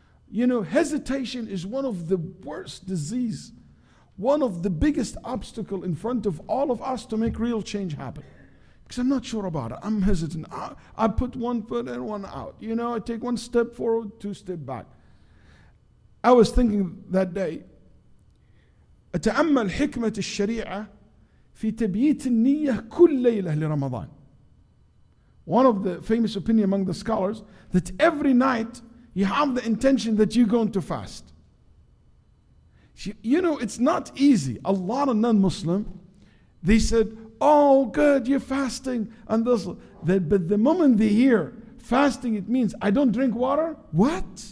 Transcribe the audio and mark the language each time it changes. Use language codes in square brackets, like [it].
[en] You know, hesitation is one of the worst disease, one of the biggest obstacle in front of all of us to make real change happen. Because I'm not sure about it. I'm hesitant. I put one foot in, one out. You know, I take one step forward, two step back. I was thinking that day, [ar] أتأمل حكمة الشريعة في تبييت النية كل ليلة لرمضان. [en] One of the famous opinion among the scholars, that every night you have the intention that you're going to fast. You know, it's not easy. A lot of non-Muslim, they said, oh good, you're fasting. And this, that, but the moment they hear fasting, it means I don't drink water. What?